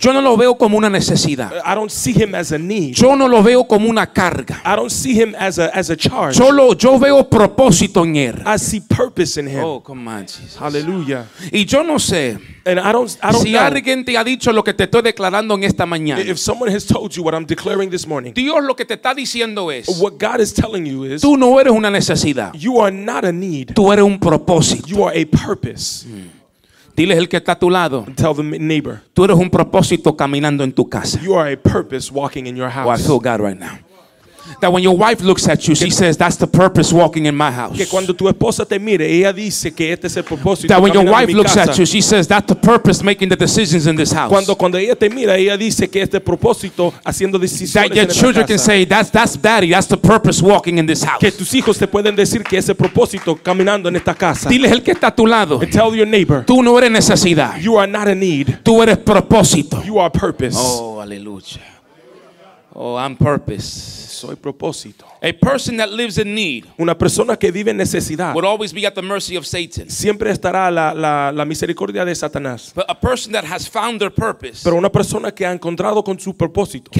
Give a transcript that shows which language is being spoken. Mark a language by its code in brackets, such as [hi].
[es] Yo no lo veo como una necesidad. [en] I don't see him as a need. [es] Yo no lo veo como una carga. [en] I don't see him as a charge. [es] Yo veo propósito en él. [en] I see purpose. In him. Oh, come on, Jesus. Hallelujah. [es] Y yo no sé. [en] And I don't [es] si alguien te ha dicho lo que te estoy declarando en esta mañana. [en] If someone has told you what I'm declaring this morning. [es] Dios lo que te está diciendo es. [en] What God is telling you is. [es] Tú no eres una necesidad. [en] You are not a need. [es] Tú eres un propósito. [en] You are a purpose. [es] Dile el que está a tu lado. [en] Tell the neighbor. [es] Tú eres un propósito caminando en tu casa. [en] You are a purpose walking in your house. Well, I feel God right now. That when your wife looks at you, she says, "That's the purpose walking in my house." [es] Que cuando tu esposa te mire, ella dice que este es el propósito. [en] That when your wife looks at you, she says, "That's the purpose making the decisions in this house." [es] Cuando ella te mira, ella dice que este propósito haciendo decisiones. [en] That your children can say, "That's daddy. That's the purpose walking in this house." [es] Que tus hijos te pueden decir que ese propósito caminando en esta casa. Dile el que está a tu lado. [en] And tell your neighbor. [es] Tú no eres necesidad. [en] You are not a need. [es] Tú eres propósito. [en] You are purpose. Oh, aleluya. Oh, I'm purpose. [es] Soy propósito. [en] A person that lives in need, [es] una persona que vive en necesidad, [en] would always be at the mercy of Satan. [es] Siempre estará a la misericordia de Satanás. [en] But a person that has found their purpose, [es] pero una persona que ha encontrado con su propósito,